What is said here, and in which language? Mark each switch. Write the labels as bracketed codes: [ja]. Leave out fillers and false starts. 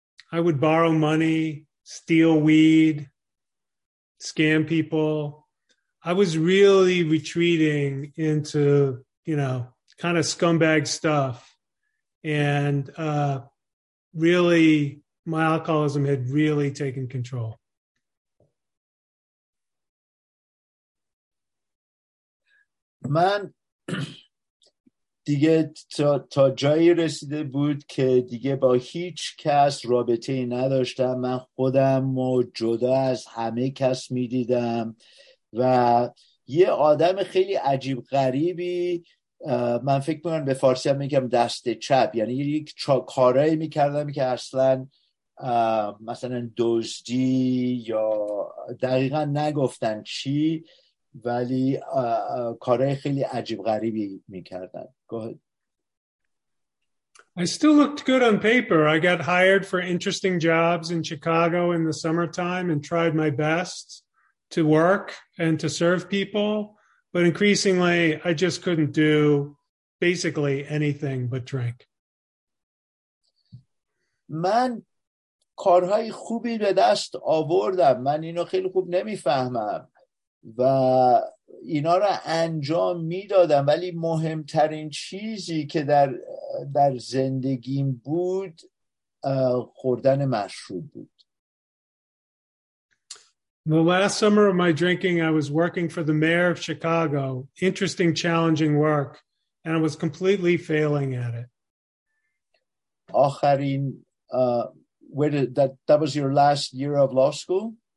[en] I would borrow money, steal weed, scam people. I was really retreating into, you know, kind of scumbag stuff. And really, my alcoholism had really taken control. [fa] من دیگه تا جایی رسیده بود که دیگه با هیچ کس رابطه ای نداشتم. من خودم و جدا از همه کس می دیدم و یه آدم خیلی عجیب غریبی من فکر می‌کنم به فارسی هم میگم دست چپ یعنی یک کارایی میکردم که اصلا مثلا دزدی یا دقیقا نگفتن چی ولی کارای خیلی عجیب غریبی میکردن. [en] Go ahead. I still looked good on paper. I got hired for interesting jobs in Chicago in the summertime and tried my best to work and to serve people. But increasingly, I just couldn't do basically anything but drink. [fa] من کارهای خوبی به دست آوردم. من اینو خیلی خوب نمیفهمم. و اینا را انجام میدادم، ولی مهمترین چیزی که در زندگیم بود خوردن مشروب بود. [en] The last summer of my drinking, I was working for the mayor of Chicago. Interesting, challenging work. And I was completely failing at it. آخرین, that was your last year of law school?